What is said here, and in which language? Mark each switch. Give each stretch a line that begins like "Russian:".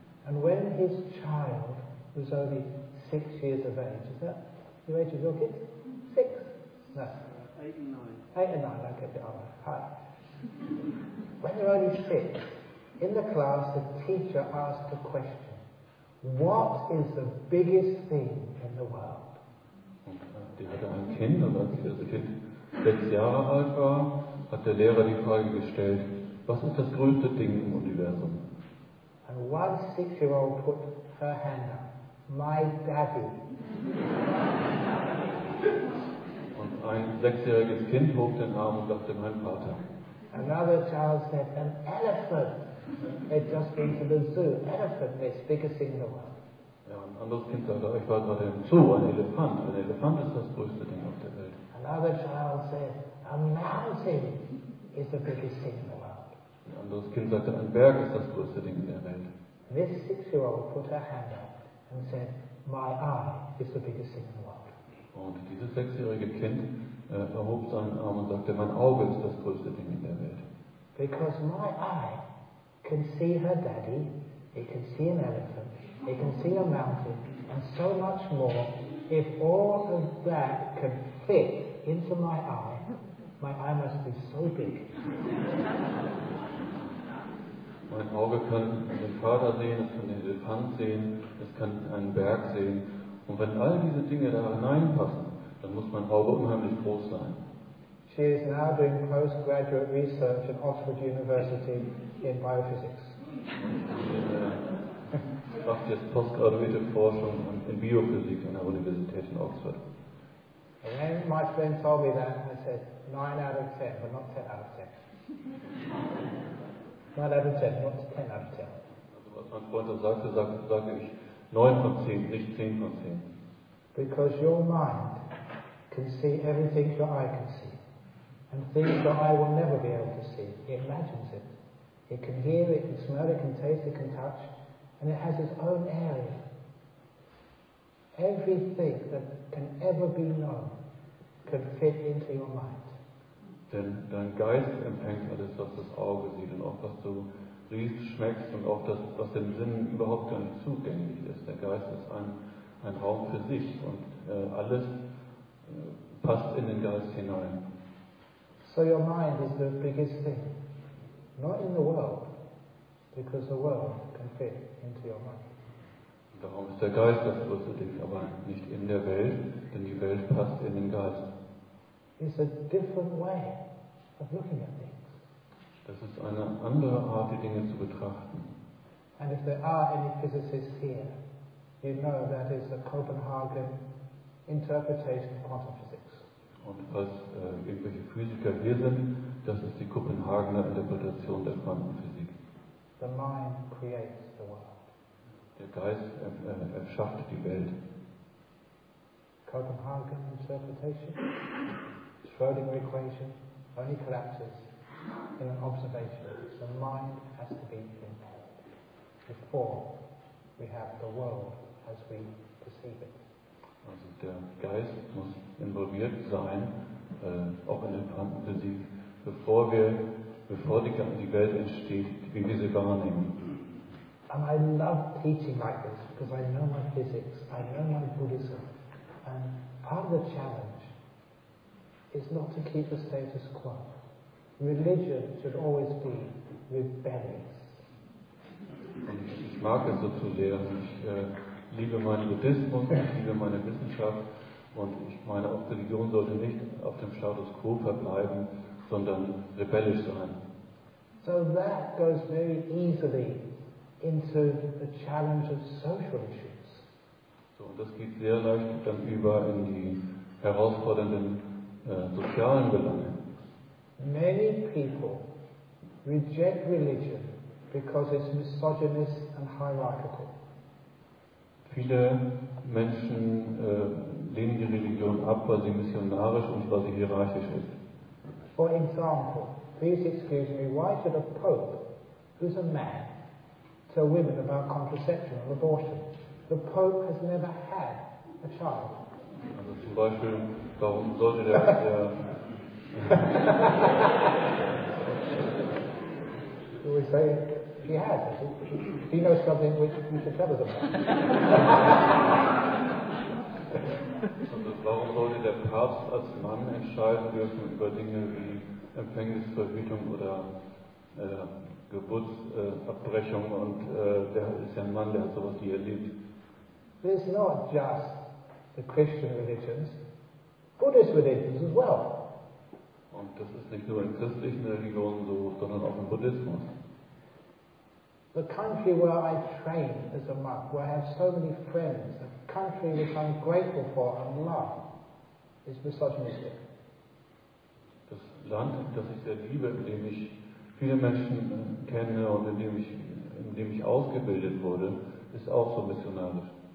English: And when his child was only 6 years of age, is that the age of your kid? Six? No. Eight and nine. Eight and nine, okay. Hi. When they're only six, in the class, the teacher asked a question. What is the biggest thing in the world?
German: Die hatte ein Kind, und als das Kind 6 Jahre alt war, hat der Lehrer die Frage gestellt, was ist das größte Ding im Universum?
English: And one six-year-old put her hand up. My daddy.
German: Und ein sechsjähriges Kind hob den Arm und sagte, mein Vater.
English: Another child said, an elephant. It just came to the zoo. Elephant, this biggest thing in the world.
German: Ja, ein anderes Kind sagte, ich war gerade im Zoo, ein Elefant. Ein Elefant ist das größte Ding auf der Welt.
English: Another child said, a mountain is the biggest thing in the world.
German: Ein anderes Kind sagte, ein Berg ist das größte Ding in der Welt.
English: This six-year-old put her hand up and said, my eye is the biggest thing in the world.
German: Und dieses sechsjährige Kind erhob seinen Arm und sagte, mein Auge ist das größte Ding in der Welt.
English: Because my eye can see her daddy, it can see an elephant, it can see a mountain, and so much more. If all of that can fit into my eye must be so big.
German: Mein Auge kann den Vater sehen, es kann den Elefant sehen, es kann einen Berg sehen. Und wenn all diese Dinge da hineinpassen, dann muss mein Auge unheimlich groß sein.
English: She is now doing postgraduate research at Oxford University in biophysics.
German: Macht jetzt postgraduierte Forschung in Biophysik an der Universität in Oxford.
English: And then my friend told me that and I said, 9 out of 10, but not 10 out of 10. 9 out of 10, not 10 out of 10.
German: Also was mein Freund sagte, sage ich 9 von 10, nicht 10 von 10.
English: Because your mind can see everything your eye can see. And things your eye will never be able to see. It imagines it. It can hear, it can smell, it can taste, it can touch. And it has its own area. Everything that can ever be known can fit into your mind.
German: Denn dein Geist empfängt alles, was das Auge sieht und auch was du riechst, schmeckst und auch das, was den Sinnen überhaupt gar nicht zugänglich ist. Der Geist ist ein Raum für sich und alles passt in den Geist hinein.
English: So your mind is the biggest thing. Not in the world, because the world can fit into your mind.
German: Darum ist der Geist das größte Ding, aber nicht in der Welt, denn die Welt passt in den Geist.
English: It's a different way of looking at things.
German: Das ist eine andere Art, die Dinge zu betrachten.
English: And if there are any physicists here, you know that is the Copenhagen interpretation of quantum physics.
German: Und falls irgendwelche Physiker hier sind, das ist die Kopenhagener Interpretation der Quantenphysik.
English: The mind creates the world.
German: Der Geist erschafft die Welt.
English: Copenhagen interpretation, Schrödinger equation, only collapses in an observation. The mind has to be impaired before we have the world as we perceive it.
German: Also der Geist muss involviert sein, auch in der Quantenphysik, bevor die Welt entsteht, wie wir sie wahrnehmen.
English: And I love teaching like this because I know my physics, I know my Buddhism. And part of the challenge is not to keep the status quo. Religion should always be rebellious.
German: Und ich mag es so zu lehren. Ich liebe meinen Buddhismus, ich liebe meine Wissenschaft. Und ich meine, auch Religion sollte nicht auf dem Status quo verbleiben, sondern rebellisch sein.
English: So that goes very easily into the challenge of social issues.
German: So, und das geht sehr leicht dann über in die herausfordernden sozialen Belange.
English: Many people reject religion because it's misogynist and hierarchical.
German: Viele Menschen lehnen die Religion ab, weil sie missionarisch und weil sie hierarchisch ist.
English: For example, please excuse me, why should a pope, who's a man, tell women about contraception or abortion? The Pope has never had a child.
German: Also zum Beispiel, warum sollte der
English: Do we say he has? He knows something which we should tell us about.
German: Also warum sollte der Papst als Mann entscheiden dürfen über Dinge wie Empfängnisverhütung oder Geburtsabbrechung und der ist ja ein Mann, der hat sowas nie erlebt.
English: It's not just the Christian religions, Buddhist religions as well.
German: Und das ist nicht nur in christlichen Religionen so, sondern auch im Buddhismus.
English: The country where I train as a monk, where I have so many friends, a country which I'm grateful for and love, is misogynistic.
German: Das Land, das ich sehr liebe, in dem ich viele Menschen kenne und in dem ich ausgebildet wurde, ist auch so missionarisch.